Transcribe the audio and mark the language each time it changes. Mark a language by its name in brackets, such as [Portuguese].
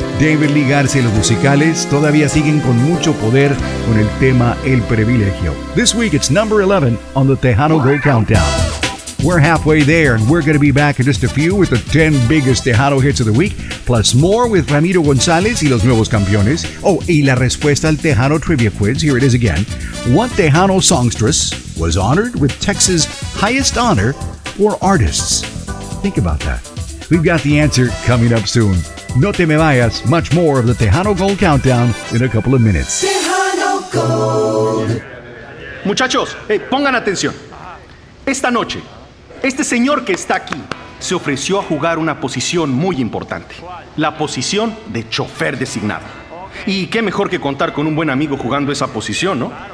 [Spanish] David Lee Garza y los musicales todavía siguen con mucho poder con el tema El Privilegio. [English] This week it's number 11 on the Tejano Gold Countdown. We're halfway there and we're going to be back in just a few with the 10 biggest Tejano hits of the week, plus more with Ramiro González y los nuevos campeones. Oh, [Spanish] y la respuesta al Tejano Trivia Quiz, [English] here it is again. What Tejano songstress was honored with Texas' highest honor for artists? Think about that. We've got the answer coming up soon. [Spanish] No te me vayas. [English] Much more of the Tejano Gold Countdown in a couple of minutes. Tejano Gold. [Spanish] Muchachos, hey, pongan atención. Esta noche, este señor que está aquí se ofreció a jugar una posición muy importante. La posición de chofer designado. Y qué mejor que contar con un buen amigo jugando esa posición, ¿no?